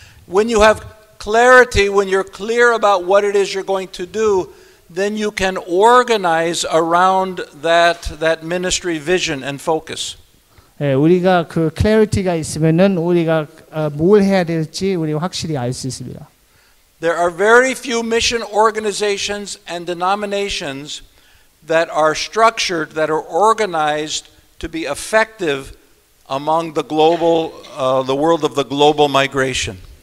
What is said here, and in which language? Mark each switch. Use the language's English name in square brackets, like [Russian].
[English] When you have clarity, when you're clear about what it is you're going to do, then you can organize around that ministry vision and focus. [Korean] 예, 우리가 그 clarity가 있으면은 우리가 뭘 해야 될지 우리가 확실히 알 수 있습니다. [English] There are very few mission organizations and denominations that are structured, that are organized to be effective among the global, the world of the global migration.